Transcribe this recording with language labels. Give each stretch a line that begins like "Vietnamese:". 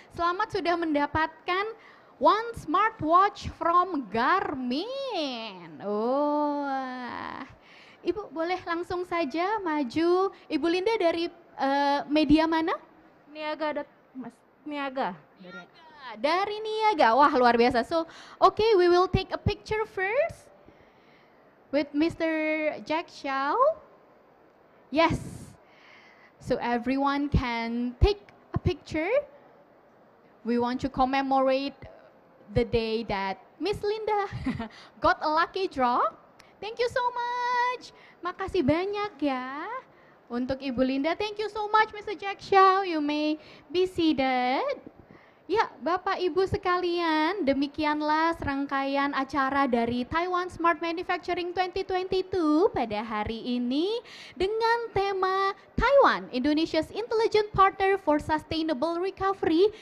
Indonesian: Selamat sudah mendapatkan
English: one smartwatch from
Indonesian: Garmin. Oh, Ibu boleh langsung saja maju. Ibu Linda dari media mana? Niaga, Mas. Niaga. Dari Niaga, wah luar biasa.
English: So, okay, we will take a picture first with Mr. Jack Xiao. Yes, so everyone can take a picture. We want to commemorate the day that Miss Linda got a lucky draw. Thank you so much.
Indonesian: Makasih banyak ya untuk Ibu Linda.
English: Thank you so much, Mr. Jack Xiao. You may be seated.
Indonesian: Ya, Bapak Ibu sekalian, demikianlah serangkaian acara dari Taiwan Smart Manufacturing 2022 pada hari ini dengan tema Taiwan, Indonesia's Intelligent Partner for Sustainable Recovery.